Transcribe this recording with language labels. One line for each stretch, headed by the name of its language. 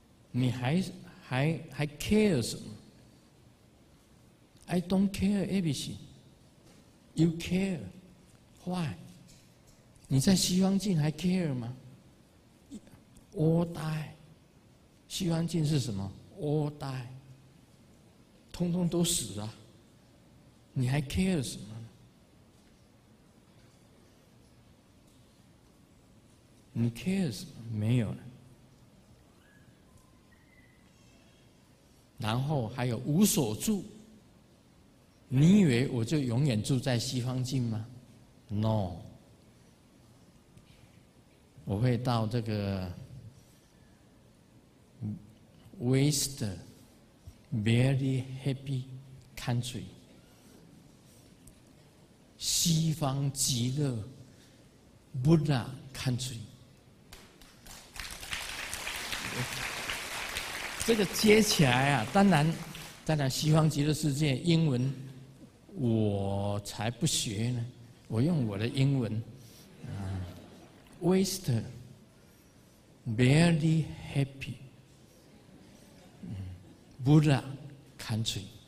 Chinese: 你还 care 什么？
English: I don't care everything. You care. Why?
Chinese: 你在西方境还 care 吗？
English: All die.
Chinese: 西方境是什么？
English: All die.
Chinese: 通通都死啊，你还 care 什么呢？你 care 什么？没有了。然后还有无所住，你以为我就永远住在西方境吗？ No， 我会到这个
English: Waste Very happy country，
Chinese: 西方极乐 Buddha country。这个接起来啊，当然西方极乐世界英文我才不学呢，我用我的英文
English: Waste Very happyBuddha country。